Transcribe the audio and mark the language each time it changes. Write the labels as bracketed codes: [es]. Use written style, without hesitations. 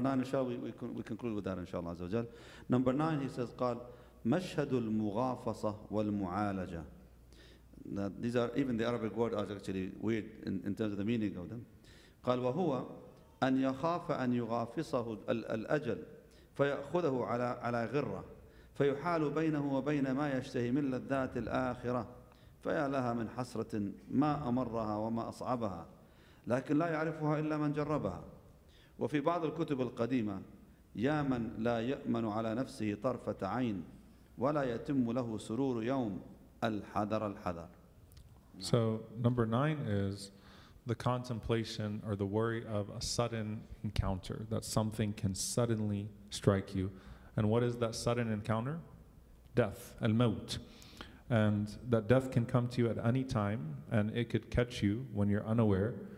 [en] 9, inshallah, we conclude with that, inshallah, Azza wa Jal. Number 9, he says, [ar] قال, مشهد المغافصة والمعالجة. [en] These are, even the Arabic word is actually weird in terms of the meaning of them. [ar] قال, وهو أن يخاف أن يغافصه الأجل فيأخذه على غرة فيحال بينه وبين ما يشتهي من لذات الآخرة فيا لها من حسرة ما أمرها وما أصعبها لكن لا يعرفها إلا من جربها. وفي بعض الكتب القديمة, يا من لا يأمن على نفسه طرفة عين ولا يتم له سرور يوم الحذر الحذر. [en] So number 9 is the contemplation or the worry of a sudden encounter, that something can suddenly strike you. And what is that sudden encounter? Death, al-maut. And that death can come to you at any time, and it could catch you when you're unaware.